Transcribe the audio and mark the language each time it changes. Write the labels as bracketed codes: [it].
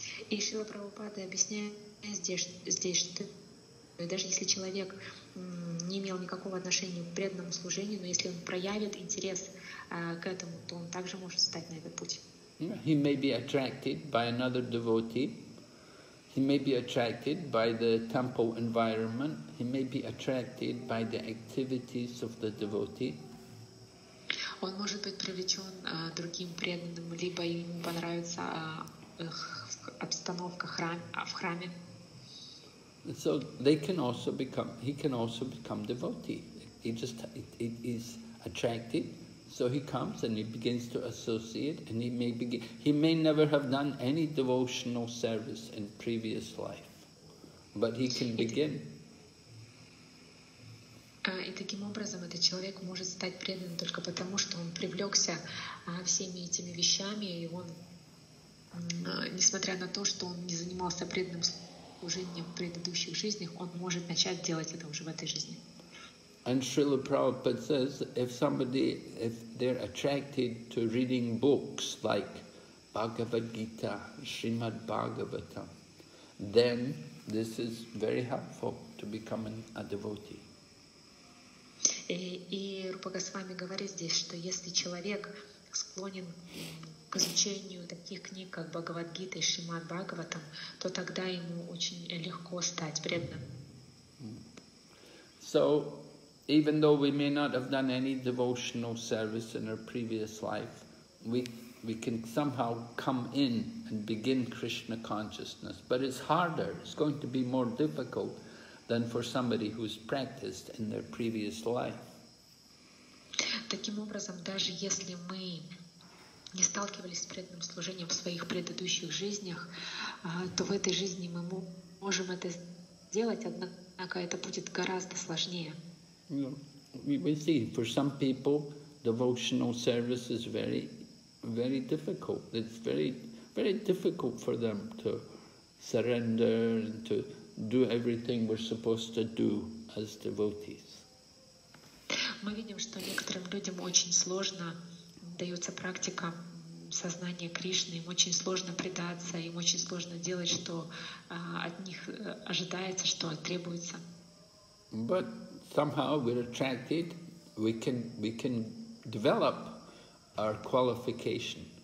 [ru] И Шрила Прабхупада объясняет здесь, что даже если человек не имел никакого отношения к преданному служению, но если он проявит интерес к этому, то он также может встать на этот путь. [en] He may be attracted by another devotee. He may be attracted by the temple environment. He may be attracted by the activities of the devotee. [ru] Он может быть привлечен другим преданным, либо ему понравится обстановка в храме. [en] So they can also become, he can also become devotee. He just it is attracted, so he comes and he begins to associate, and he may never have done any devotional service in previous life, but he can begin. [ru] И таким образом этот человек может стать преданным только потому, что он привлекся всеми этими вещами, и он, несмотря на то, что он не занимался преданным служением в предыдущих жизнях, он может начать делать это уже в этой жизни. [en] And Srila Prabhupada says, if they're attracted to reading books like Bhagavad Gita, Srimad Bhagavatam, then this is very helpful to becoming a devotee. [ru] И Рупа Госвами говорит здесь, что если человек склонен к изучению таких книг, как Бхагавад-гита и Шримад Бхагаватам, то тогда ему очень легко стать преданным. [en] So, even though we may not have done any devotional service in our previous life, we can somehow come in and begin Krishna consciousness. But it's harder, it's going to be more difficult than for somebody who's practiced in their previous life. [ru] Таким образом, даже если мы не сталкивались с преданным служением в своих предыдущих жизнях, то в этой жизни мы можем это сделать, однако это будет гораздо сложнее. [en] We see for some people devotional service is very, very difficult. It's very, very difficult for them to surrender and to do everything we're supposed to do as devotees. [ru] Мы видим, что некоторым людям очень сложно дается практика сознания Кришны, им очень сложно предаться, им очень сложно делать, что от них ожидается, что требуется. [en] But somehow we're attracted, we can develop our qualification.